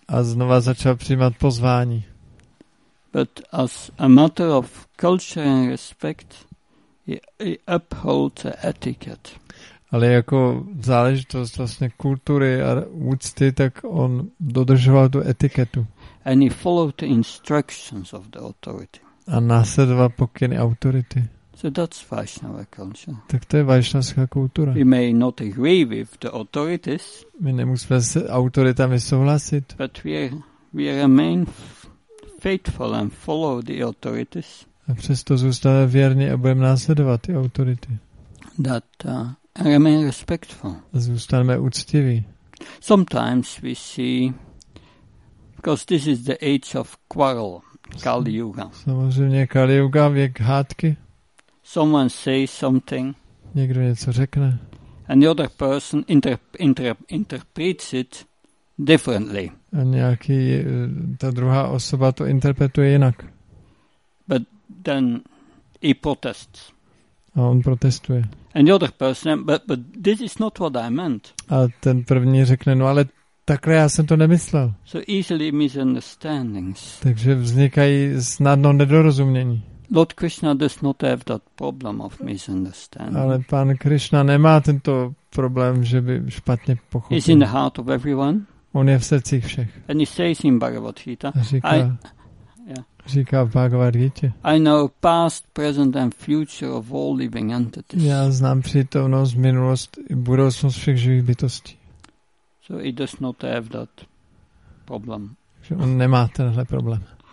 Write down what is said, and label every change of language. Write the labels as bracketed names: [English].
[Czech] A znova začal přijímat pozvání. [English] But as a matter of culture and respect, he upholds the etiquette. [Czech] Ale jako záležitost vlastně kultury a úcty, tak on dodržoval tu etiketu. [English] And he followed the instructions of the authority. [Czech] A následoval pokyny autority. [English] So that's Vaishnava culture. [Czech] Tak to je vaishnavská kultura. [English] We may not agree with the authorities. [Czech] My nemusíme s autoritami souhlasit. [English] But we remain faithful and follow the authorities. [Czech] A přesto zůstáváme věrní a budeme následovat ty autority. [English] That remain respectful. [Czech] A zůstaneme úctiví. [English] Sometimes we see, because this is the age of quarrel, Kali Yuga. [Czech] Samozřejmě Kali Yuga, věk hádky. [English] Someone says something. [Czech] Někdo něco řekne. [English] And the other person interprets it differently. [Czech] A nějaký, ta druhá osoba to interpretuje jinak. [English] But then he protests. [Czech] A on protestuje. [English] And the other person, but this is not what I meant. [Czech] A ten první řekne, no ale takhle já jsem to nemyslel. [English] So easily misunderstandings. [Czech] Takže vznikají snadno nedorozumění. [English] Lord Krishna does not have that problem of misunderstanding. [Czech] Ale pan Krishna nemá tento problém, že by špatně pochopil. [English] He's in the heart of everyone. [Czech] On je v srdcích všech. [English] And he says in Bhagavad Gita. [Czech] Říká v Bhagavad Gita. [English] I know past, present and future of all living entities. [Czech] Já znám přítomnost, minulost i budoucnost všech živých bytostí. [English] So he does not have that problem. [Czech] Že on nemá tenhle problém.